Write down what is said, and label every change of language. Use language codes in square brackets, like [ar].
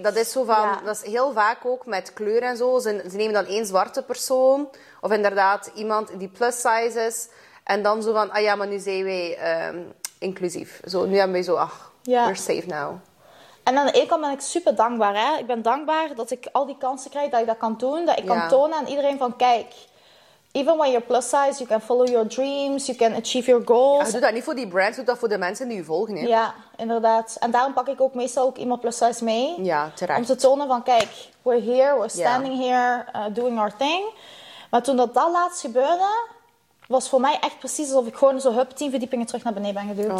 [nl] Dat is zo van, dat is heel vaak ook met kleur en zo. Ze nemen dan één zwarte persoon, of inderdaad iemand die plus size is. En dan zo van, ah ja, maar nu zijn wij inclusief. Zo, nu hebben wij zo, [en] we're safe now. [nl] En aan de ene kant ben ik super dankbaar, hè. Ik ben dankbaar dat ik al die kansen krijg, dat ik dat kan doen. Dat ik kan tonen aan iedereen van, kijk... [en] Even when you're plus size, you can follow your dreams, you can achieve your goals. [nl] Ja, doe dat niet voor die brand, doe dat voor de mensen die je volgen. Hè? Ja, inderdaad. En daarom pak ik ook meestal ook iemand plus size mee. Ja, terecht. Om te tonen van, kijk, [en] we're here, we're standing here, doing our thing. [nl] Maar toen dat laatst gebeurde, was voor mij echt precies alsof ik gewoon zo hup 10 verdiepingen terug naar beneden ben geduwd.